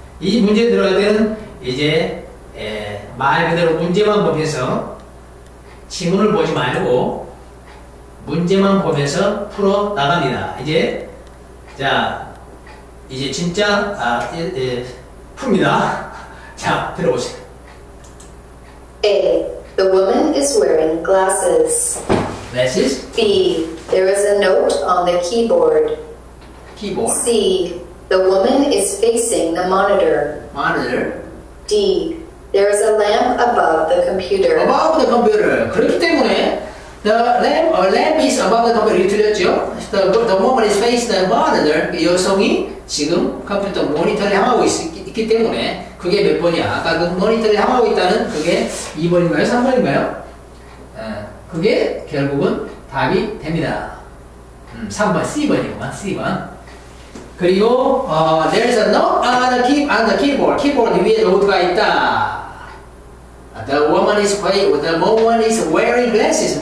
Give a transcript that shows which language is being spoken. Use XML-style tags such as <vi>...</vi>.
<ko>이 문제 들어갈 때는 이제 말 그대로 문제만 보면서 지문을 보지 말고 문제만 보면서 풀어 나갑니다. 이제 자 이제 진짜 풉니다. 자, 들어보세요.</ko> <en>A. The woman is wearing glasses. Glasses. B. There is a note on the keyboard. Keyboard. C. The woman is facing the monitor. Monitor. D. There is a lamp above the computer. Above the computer.</en> <ko>그렇기 때문에</ko> <en>the lamp, lamp is above the computer.</en> <ko>틀렸죠?</ko> <en>The woman is facing the monitor.</en> <ko>여성이 지금 컴퓨터 모니터를 향하고 있기 때문에 그게 몇 번이야? 아까 그 모니터를 향하고 있다는 그게 2번인가요? 3번인가요? 그게 결국은 답이 됩니다. 3번, C번이구만, C번. 그리고</ko> <en>there's a note on the keyboard.</en> <ko>Keyboard 위에 노트가 있다.</ko> <en>The woman is wearing glasses.</en>